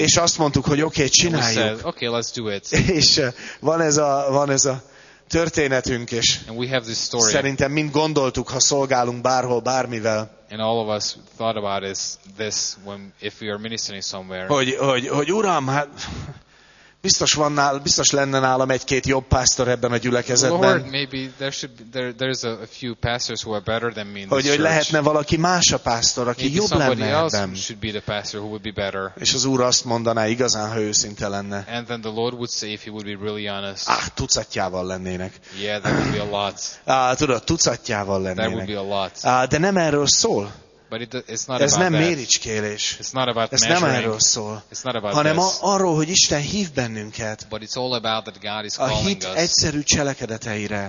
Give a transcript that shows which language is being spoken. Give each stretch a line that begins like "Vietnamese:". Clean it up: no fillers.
Hungarian: És azt mondtuk, hogy oké, csináljuk.
English: Said, okay, let's do it.
Hungarian: És van ez a történetünk is.
English: And we have this story.
Hungarian: Szerintem mind gondoltuk, ha szolgálunk bárhol, bármivel.
English: And all of us thought about this when if we are ministering somewhere.
Hungarian: Hogy uram, hát biztos lenne nálam egy-két jobb pásztor ebben a gyülekezetben.
English: Lord, maybe there's a few pastors who are better than me in this
Hungarian: hogy lehetne valaki más a pásztor, aki
English: maybe
Hungarian: jobb lenne ebben.
English: Should be the pastor who would be better.
Hungarian: És az Úr azt mondaná, igazán, ha őszinte lenne.
English: And then the Lord would say if he would be really honest.
Hungarian: Ah, tucatjával lennének.
English: Yeah, that would be a lot.
Hungarian: Tudod, tucatjával lennének.
English: That would be a lot.
Hungarian: De nem erről szól.
English: But it's not
Hungarian: ez
English: about
Hungarian: nem
English: that.
Hungarian: Méricskélés.
English: It's not about
Hungarian: ez
English: measuring.
Hungarian: Nem erről szól.
English: It's not about
Hungarian: hanem
English: this.
Hungarian: Arról, hogy Isten hív bennünket.
English: But it's all about that God is
Hungarian: a hit egyszerű cselekedeteire.